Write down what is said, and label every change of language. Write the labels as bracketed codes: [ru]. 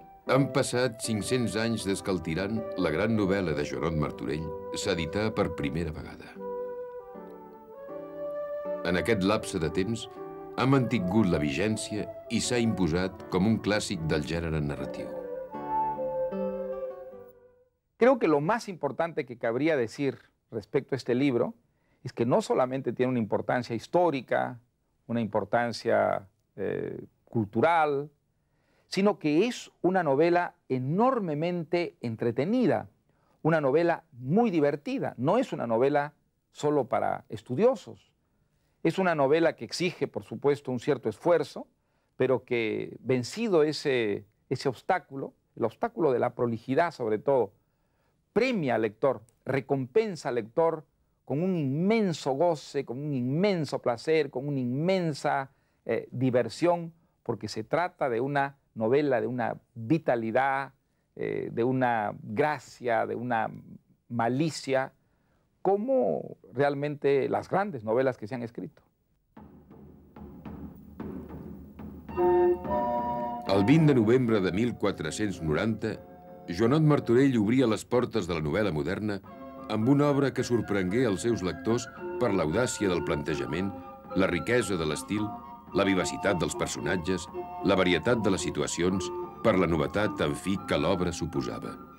[ca] Han passat 500 anys des que el Tirant, la gran novel·la de Jeannot Martorell, s'edità per primera vegada. En aquest lapse de temps, ha mantingut la vigència i s'ha imposat com un clàssic del gènere narratiu. [es] Creo que lo más importante que cabría decir respecto a este libro es que no solamente tiene una importancia histórica, una importancia cultural, sino que es una novela enormemente entretenida, una novela muy divertida. No es una novela solo para estudiosos. Es una novela que exige, por supuesto, un cierto esfuerzo, pero que, vencido ese obstáculo, el obstáculo de la prolijidad sobre todo, premia al lector, recompensa al lector con un inmenso goce, con un inmenso placer, con una inmensa diversión, porque se trata de una novela de una vitalidad, de una gracia, de una malicia, como realmente las grandes novelas que se han escrito. [ca] El 20 de novembre de 1490, Jeannot Martorell obria les portes de la novel·la moderna amb una obra que sorprengué els seus lectors per l'audàcia del plantejament, la riquesa de l'estil, la vivacitat dels personatges, la varietat de les situacions, per la novetat, en fi, que l'obra suposava.